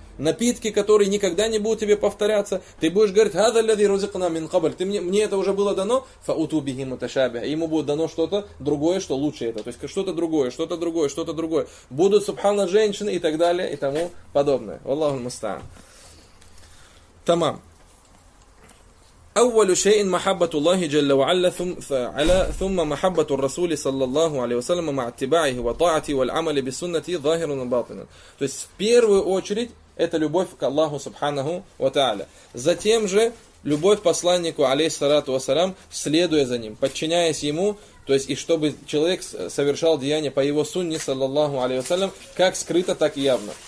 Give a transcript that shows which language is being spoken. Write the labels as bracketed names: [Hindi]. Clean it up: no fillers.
[Russian] Напитки, которые никогда не будут тебе повторяться, ты будешь говорить: [Arabic] «Хаза ллази рузикна мин кабль», [Russian] мне это уже было дано, [Arabic] «фауту бихи муташабиха», [Russian] ему будет дано что-то другое, что лучше это, то есть что-то другое. Будут, субханна, женщины и так далее, и тому подобное. [Arabic] Валлаху мустаан. [Russian] Тамам. [Arabic] أول شيء محبة الله جل وعلا ثم محبة الرسول صلى الله عليه وسلم مع اتباعه وطاعته والعمل بالسنة ظاهرا وباطنا. [Russian] То есть в первую очередь это любовь к Аллаху Субханаху ва Тааля. Затем же любовь к посланнику алейхиссалату вассалям, следуя за ним, подчиняясь ему, то есть и чтобы человек совершал деяния по его сунне саллаллаху алейхи вассалям, как скрыто, так и явно.